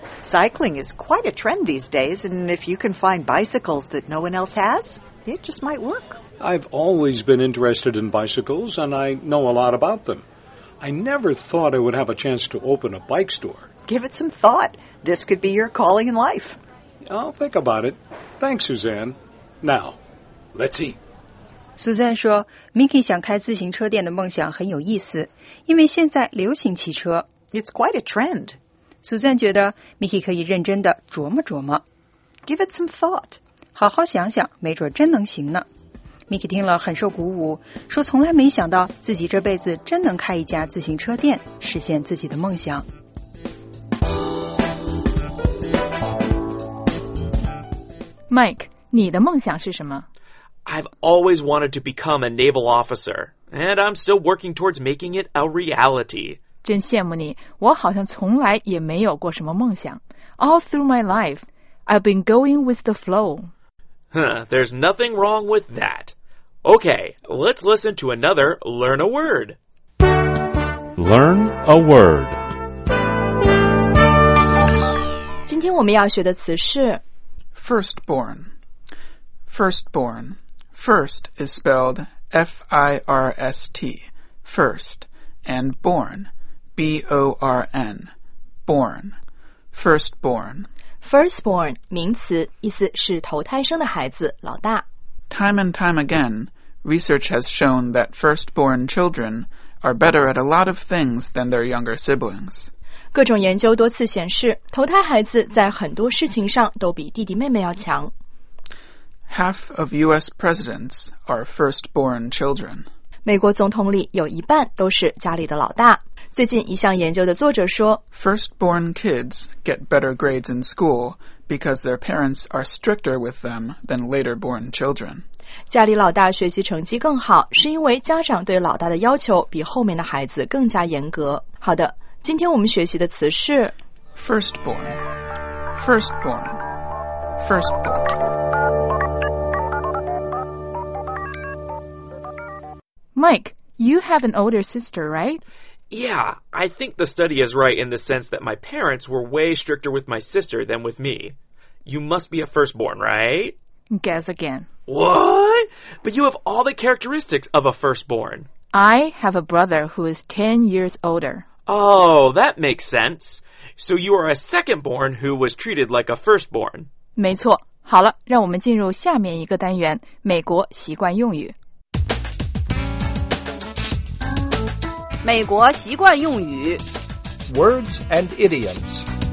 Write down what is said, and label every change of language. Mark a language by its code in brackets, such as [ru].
[en] Cycling is quite a trend these days, and if you can find bicycles that no one else has, it just might work. I've always been interested in bicycles, and I know a lot about them. I never thought I would have a chance to open a bike store. Give it some thought. This could be your calling in life. I'll think about it. Thanks, Suzanne. Now, let's eat. [zh] Suzanne 说 Mickey 想开自行车店的梦想很有意思，因为现在流行汽车。 [en] It's quite a trend. [zh] Suzanne 觉得 Mickey 可以认真地琢磨琢磨。 [en] Give it some thought. [zh] 好好想想，没准真能行呢。Mickey 听了很受鼓舞，说从来没想到自己这辈子真能开一家自行车店，实现自己的梦想。 Mike, 你的梦想是什么？ [en] I've always wanted to become a naval officer, and I'm still working towards making it a reality. [zh] 真羡慕你，我好像从来也没有过什么梦想。 [en] All through my life, I've been going with the flow. There's nothing wrong with that. Okay, let's listen to another Learn a Word. Learn a Word. [zh] 今天我们要学的词是 [en] Firstborn. Firstborn. First is spelled F-I-R-S-T. First and born. B-O-R-N, born, firstborn. [zh] Firstborn, 名词，意思是头胎生的孩子，老大。 [en] Time and time again, research has shown that firstborn children are better at a lot of things than their younger siblings. [zh] 各种研究多次显示，头胎孩子在很多事情上都比弟弟妹妹要强。 [en] Half of U.S. presidents are firstborn children. [zh] 美国总统里有一半都是家里的老大。最近一项研究的作者说 [en] Firstborn kids get better grades in school because their parents are stricter with them than later born children. [zh] 家里老大学习成绩更好，是因为家长对老大的要求比后面的孩子更加严格。好的，今天我们学习的词是 [en] Firstborn, Firstborn, Firstborn. Mike, you have an older sister, right? Yeah, I think the study is right in the sense that my parents were way stricter with my sister than with me. You must be a firstborn, right? Guess again. What? But you have all the characteristics of a firstborn. I have a brother who is 10 years older. Oh, that makes sense. So you are a secondborn who was treated like a firstborn. [zh] 没错。好了，让我们进入下面一个单元，美国习惯用语。美国习惯用语 [en] Words and idioms